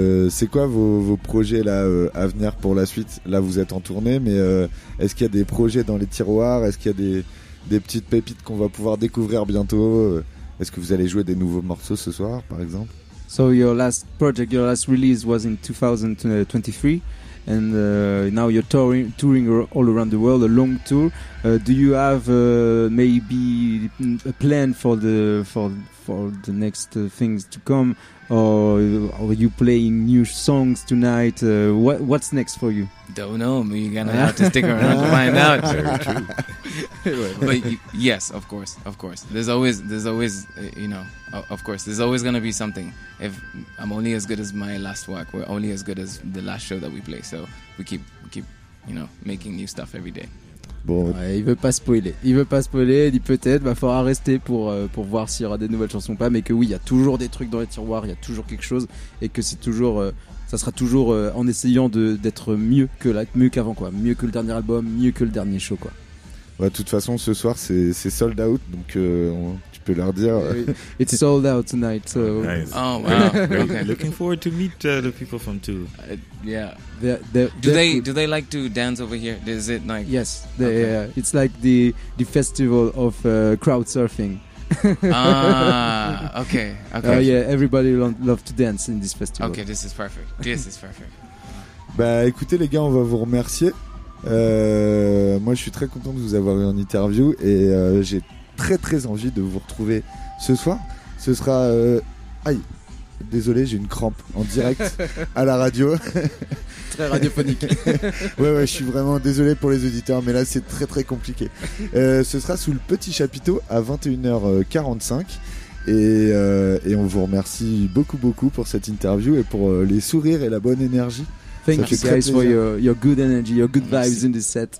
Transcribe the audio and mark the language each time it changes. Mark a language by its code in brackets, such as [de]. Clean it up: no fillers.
[fr] C'est quoi vos projets là à venir pour la suite? Là vous êtes en tournée, mais est-ce qu'il y a des projets dans les tiroirs? Est-ce qu'il y a des petites pépites qu'on va pouvoir découvrir bientôt? Est-ce que vous allez jouer des nouveaux morceaux ce soir par exemple? [en] So your last project, your last release was in 2023. and now you're touring all around the world, a long tour. Do you have maybe a plan for the next things to come, or are you playing new songs tonight? What's next for you? Don't know. We're gonna have to stick around to find out. Very true. But yes, of course. There's always gonna be something. If I'm only as good as my last work, we're only as good as the last show that we play. So we keep, you know, making new stuff every day. [fr] Bon. Ouais, il veut pas spoiler, il dit peut-être, bah, faudra rester pour voir s'il y aura des nouvelles chansons ou pas, mais que oui, il y a toujours des trucs dans les tiroirs, il y a toujours quelque chose, et que c'est toujours, ça sera toujours en essayant d'être mieux qu'avant, quoi. Mieux que le dernier album, mieux que le dernier show, quoi. Ouais, de toute façon, ce soir, c'est sold out, donc tu peux leur dire. [en] It's sold out tonight, so. Nice. Oh, wow. Looking forward to meet the people from two. Do they like to dance over here? Is it like? Yes, they, okay. It's like the festival of crowd surfing. Okay. Yeah, everybody love to dance in this festival. Okay, this is perfect. [fr] Bah écoutez les gars, on va vous remercier. Moi je suis très content de vous avoir eu en interview, et j'ai très très envie de vous retrouver ce soir. Ce sera désolé, j'ai une crampe en direct à la radio. Très radiophonique. ouais, je suis vraiment désolé pour les auditeurs, mais là c'est très très compliqué. Ce sera sous le petit chapiteau à 21h45, et on vous remercie beaucoup beaucoup pour cette interview et pour les sourires et la bonne énergie. [en] Thank you guys for your good energy, your good vibes in this set.